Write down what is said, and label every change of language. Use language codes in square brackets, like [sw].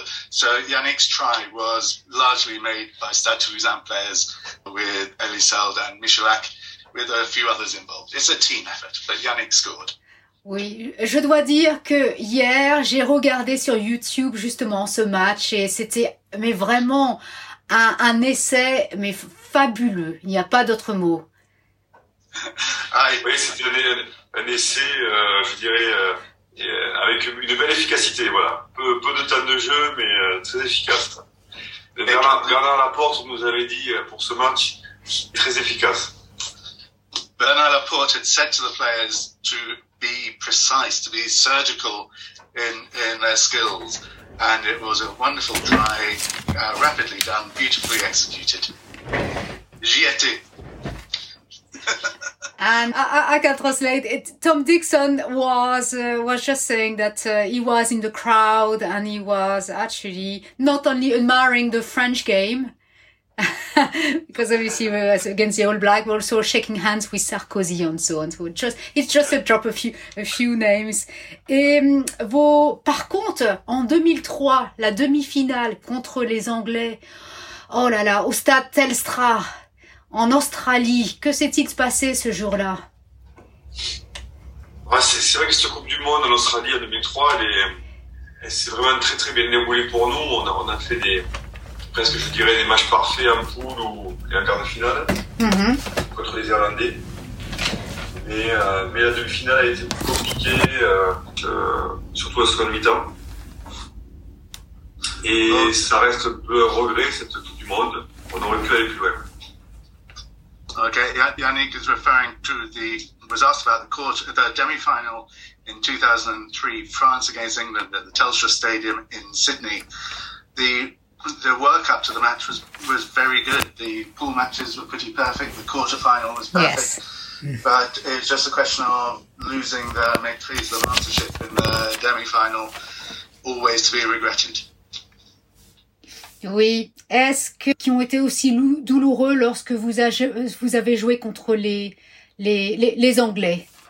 [en] So Yannick's try was largely made by Stade Toulousain players with Elisalde and Michelac, with a few others involved. It's a team effort, but Yannick scored. [fr] Oui, je dois dire que hier, j'ai regardé sur YouTube justement ce match et c'était mais vraiment un essai mais fabuleux. Il n'y a pas d'autre mot. Oui, c'était un essai, je dirais... avec une belle efficacité, voilà. Peu de temps de jeu, mais très efficace. Bernard Laporte nous avait dit pour ce match, très efficace. [en] Bernard Laporte had said to the players to be precise, to be surgical in their skills, and it was a wonderful try, rapidly done, beautifully executed. [fr] J'y étais. [en] And I can translate it. Tom Dixon was just saying that he was in the crowd and he was actually not only admiring the French game, because obviously we were against the All Black, but also shaking hands with Sarkozy and so on. So it's just a drop a few names. [fr] Et par contre, en 2003, la demi-finale contre les Anglais, oh là là, au stade Telstra. En Australie, que s'est-il passé ce jour-là? Ouais, c'est vrai que cette Coupe du Monde en Australie en 2003, elle s'est vraiment très très bien déroulée pour nous. On a fait des matchs parfaits en poule ou en quart de finale contre les Irlandais. Mais la demi-finale a été plus compliquée, surtout la seconde mi-temps. Et ça reste un peu un regret, cette Coupe du Monde. On aurait pu aller plus loin. [en] Okay, Yannick is referring to was asked about the demi-final in 2003, France against England at the Telstra Stadium in Sydney. The work-up to the match was very good. The pool matches were pretty perfect. The quarter-final was perfect. Yes. But it's just a question of losing the maîtrise, the mastership in the demi-final, always to be regretted. [fr] Oui. Est-ce qu'ils ont été aussi douloureux lorsque vous avez joué contre les Anglais?